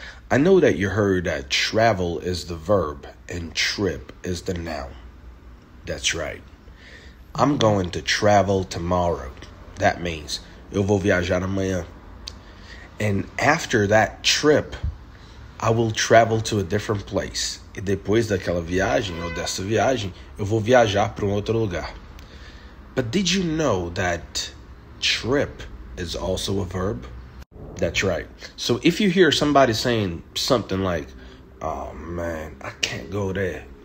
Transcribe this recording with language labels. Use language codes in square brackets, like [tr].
[en] I know that you heard that travel is the verb and trip is the noun. That's right. I'm going to travel tomorrow. That means [pt] eu vou viajar amanhã. [en] And after that trip, I will travel to a different place. [pt] E depois daquela viagem ou dessa viagem, eu vou viajar para outro lugar. [en] But did you know that trip is also a verb? That's right. So if you hear somebody saying something like, "Oh man, I can't go there."